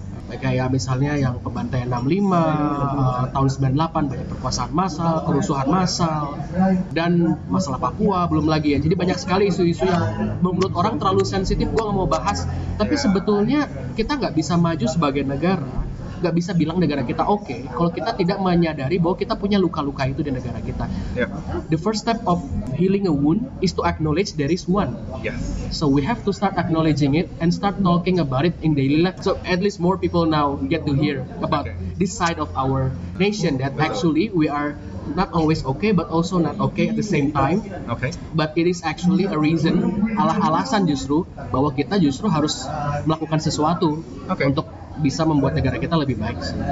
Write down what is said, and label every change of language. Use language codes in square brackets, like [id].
[id] Kayak misalnya yang pembantaian 65, tahun 98, banyak perkuasaan massal, kerusuhan massal, dan masalah Papua belum lagi ya. Jadi banyak sekali isu-isu yang menurut orang terlalu sensitif, gue gak mau bahas. Tapi sebetulnya kita gak bisa maju sebagai negara, gak bisa bilang negara kita okay, kalau kita tidak menyadari bahwa kita punya luka-luka itu di negara kita. [en] The first step of healing a wound is to acknowledge there is one. So we have to start acknowledging it and start talking about it in daily life, so at least more people now get to hear about this side of our nation, that actually we are not always okay but also not okay at the same time. But it is actually a reason, [id] alasan justru bahwa kita justru harus melakukan sesuatu untuk bisa membuat negara kita lebih baik.